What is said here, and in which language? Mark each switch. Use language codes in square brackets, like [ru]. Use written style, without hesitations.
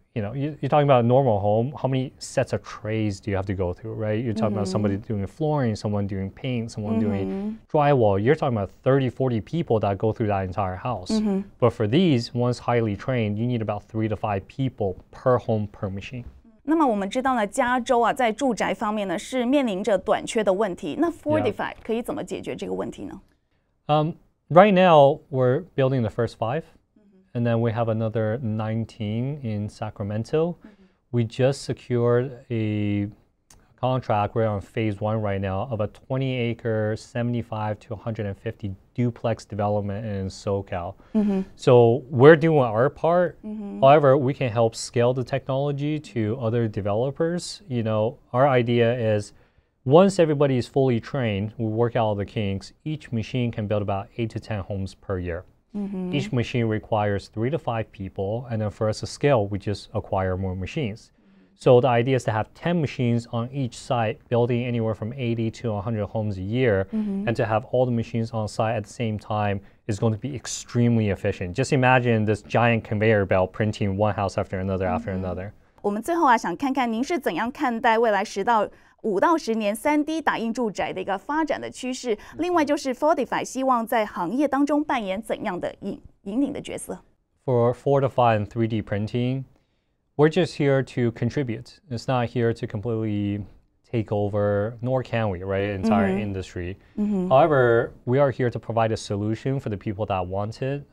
[en] you know, you're talking about a normal home, how many sets of trays do you have to go through, right? You're talking about somebody doing flooring, someone doing paint, someone doing drywall. You're talking about 30, 40 people that go through that entire house. But for these, once highly trained, you need about 3 to 5 people per home per machine. [zh] 那么我们知道呢，加州啊，在住宅方面呢，是面临着短缺的问题。那 45 可以怎么解决这个问题呢？ [en] Right now, we're building the first 5. And then we have another 19 in Sacramento. We just secured a contract, we're on phase 1 right now, of a 20-acre, 75 to 150 duplex development in SoCal. So we're doing our part. However, we can help scale the technology to other developers. You know, our idea is once everybody is fully trained, we work out all the kinks, each machine can build about 8 to 10 homes per year. Each machine requires 3 to 5 people, and then for us to scale, we just acquire more machines. So the idea is to have 10 machines on each site, building anywhere from 80 to 100 homes a year, and to have all the machines on site at the same time is going to be extremely efficient. Just imagine this giant conveyor belt printing one house after another after another. [zh] 我们最后啊，想看看您是怎样看待未来十到五到十年 3D 打印住宅的一个发展的趋势。另外就是 Fortify 希望在行业当中扮演怎样的引领的角色 [en] ？For Fortify and 3D printing, we're just here to contribute. It's not here to completely take over, nor can we, right? Entire industry. However, we are here to provide a solution for the people that want it.